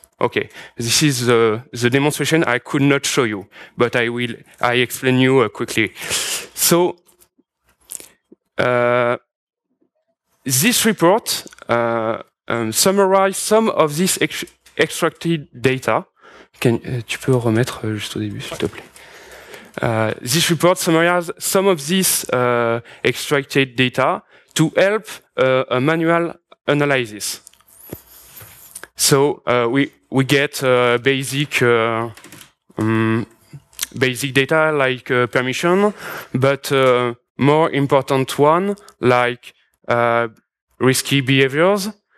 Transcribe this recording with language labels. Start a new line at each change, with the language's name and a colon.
English: Okay, this is the demonstration I could not show you, but I explain you quickly. So this report summarizes some of this extracted data.
French: Tu peux remettre juste au début, s'il te plaît.
English: This report summarizes some of this extracted data to help a manual analysis. So we get basic data like permission, but more important one like risky behaviors.